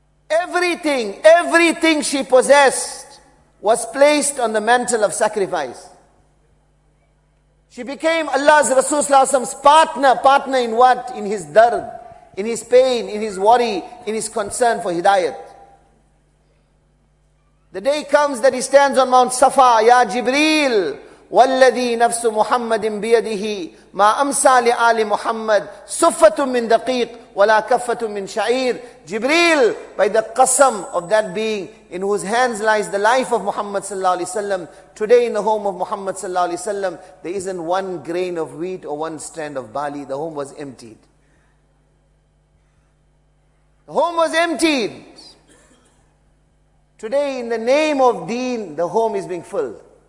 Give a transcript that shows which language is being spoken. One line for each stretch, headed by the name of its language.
English: Everything she possessed was placed on the mantle of sacrifice. She became Allah's Rasul Sallallahu Alaihi Wasallam's partner. Partner in what? In his dard, in his pain, in his worry, in his concern for hidayat. The day comes that he stands on Mount Safa, Ya Jibreel,
Arabic: والذي نفس محمد بيده ما أمسى لآل محمد صفة من دقيق ولا كفة من شعير.
English: Jibreel, by the qasam of that being in whose hands lies the life of Muhammad sallallahu alaihi wasallam, today in the home of Muhammad sallallahu alaihi wasallam there isn't one grain of wheat or one strand of barley. The home was emptied. The home was emptied. Today in the name of Deen, the home is being filled.